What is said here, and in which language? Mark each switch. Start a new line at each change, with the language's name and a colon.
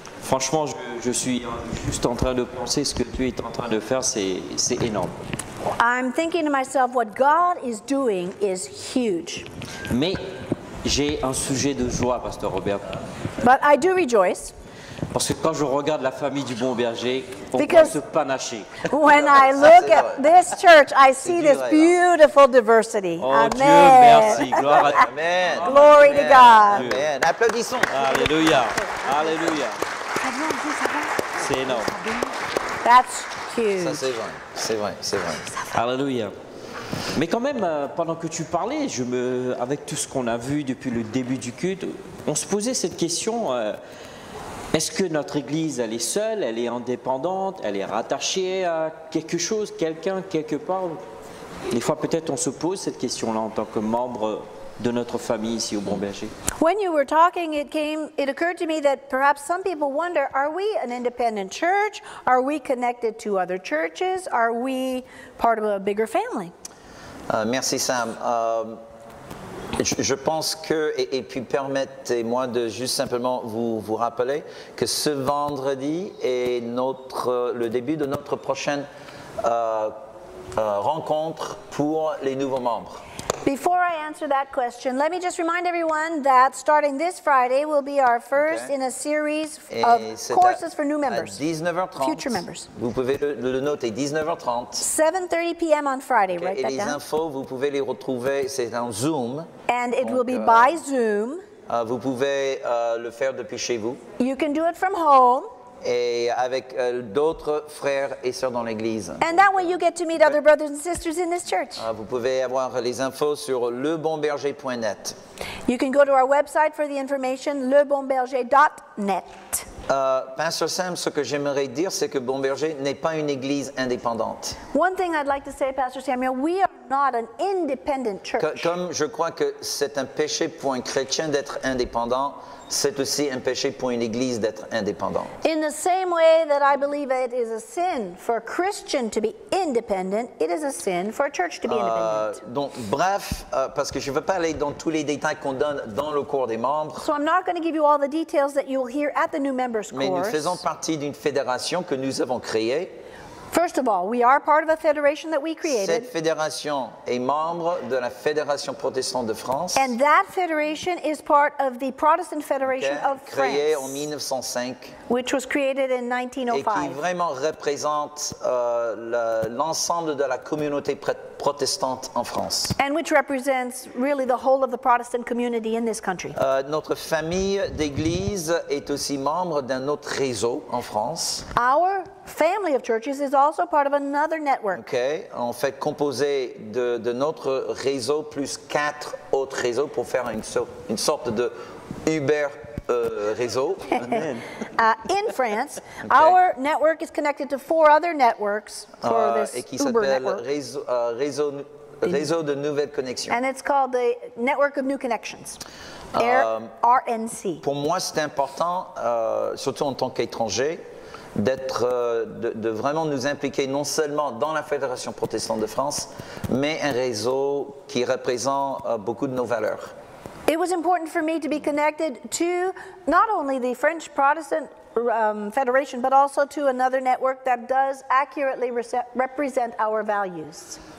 French: Franchement, je suis juste en train de penser ce que tu es en train de faire, c'est énorme.
English: I'm thinking to myself, what God is doing is huge.
French: Mais j'ai un sujet de joie, Pasteur Robert.
English: But I do rejoice.
French: Parce que quand je regarde la famille du Bon Berger,
English: Because
French: on peut se panacher.
English: When I look at this church, I see this beautiful diversity. Oh, amen.
French: Dieu, merci. Gloire à...
English: amen. Glory amen. To God.
French: Amen. Applaudissons. Alléluia. Alléluia. C'est énorme.
English: That's huge.
French: Ça, c'est vrai. C'est vrai. C'est vrai. Alléluia. Mais quand même, pendant que tu parlais, avec tout ce qu'on a vu depuis le début du culte, on se posait cette question, est-ce que notre Église, elle est seule, elle est indépendante, elle est rattachée à quelque chose, quelqu'un, quelque part? Des fois, peut-être, on se pose cette question-là en tant que membre de notre famille ici au Bon Berger.
English: When you were talking, it occurred to me that perhaps some people wonder, are we an independent church? Are we connected to other churches? Are we part of a bigger family?
French: Merci Sam. Je pense que, et puis permettez-moi de juste simplement vous rappeler que ce vendredi est le début de notre prochaine rencontre pour les nouveaux membres.
English: Before I answer that question, let me just remind everyone that starting this Friday will be our first in a series of courses for new members, future members.
French: Vous pouvez le noter, 19h30.
English: 7:30 p.m. on Friday, write that down.
French: Et les infos, vous pouvez les retrouver, c'est en Zoom.
English: And it will be by Zoom.
French: Vous pouvez le faire depuis chez vous.
English: You can do it from home.
French: Et avec d'autres frères et sœurs dans l'église.
English: And that way you get to meet other brothers and sisters in this church.
French: Vous pouvez avoir les infos sur lebonberger.net.
English: You can go to our website for the information, lebonberger.net.
French: Pasteur Sam, ce que j'aimerais dire, c'est que Bon Berger n'est pas une église indépendante.
English: One thing I'd like to say, Pastor Samuel, we are not an independent church.
French: Comme je crois que c'est un péché pour un chrétien d'être indépendant, c'est aussi un péché pour une église d'être indépendante.
English: In the same way that I believe it is a sin for a Christian to be independent, it is a sin for a church to be independent.
French: Donc, bref, parce que je ne veux pas aller dans tous les détails qu'on donne dans le cours des membres.
English: So I'm not going to give you all the details that you'll hear at the new members course.
French: Mais nous faisons partie d'une fédération que nous avons créée.
English: First of all, we are part of a federation that we created.
French: Cette fédération est membre de la Fédération Protestante de France.
English: And that federation is part of the Protestant Federation of France.
French: Créée en 1905.
English: Which was created in 1905.
French: Et qui vraiment représente l'ensemble de la communauté protestante en France.
English: And which represents really the whole of the Protestant community in this country.
French: Notre famille d'église est aussi membre d'un autre réseau en France.
English: Our family of churches is also part of another network.
French: Okay, en fait composé de notre réseau plus quatre autres réseaux pour faire une sorte de Uber réseau.
English: In France, okay. Our network is connected to four other networks for this Uber network.
French: Et qui s'appelle réseau de nouvelles connexions.
English: And it's called the Network of New Connections. RNC.
French: Pour moi, c'est important, surtout en tant qu'étranger, de vraiment nous impliquer non seulement dans la Fédération Protestante de France, mais un réseau qui représente beaucoup de nos valeurs.
English: It was important for me to be connected to not only the French Protestant Federation, but also to another network that does accurately represent our values.